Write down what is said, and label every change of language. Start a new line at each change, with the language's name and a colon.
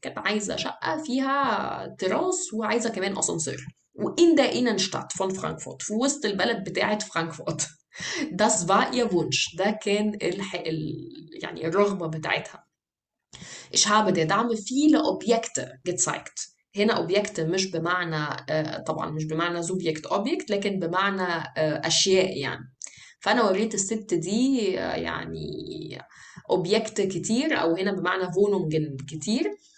Arabic: كانت عايزة شقة فيها تراس وعايزة كمان أسانسير. وإن ده إن الشتات فون فرانكفورت, في وسط البلد بتاعت فرانكفورت.
German: Das war ihr Wunsch.
Arabic: ده كان يعني الرغبة بتاعتها.
German: Ich habe der Dame viele Objekte gezeigt.
Arabic: هنا Objekte مش بمعنى, طبعا مش بمعنى Subjekt Objekt, لكن بمعنى أشياء يعني. فأنا وريت الست دي يعني Objekte كتير, أو هنا بمعنى Wohnungen كتير.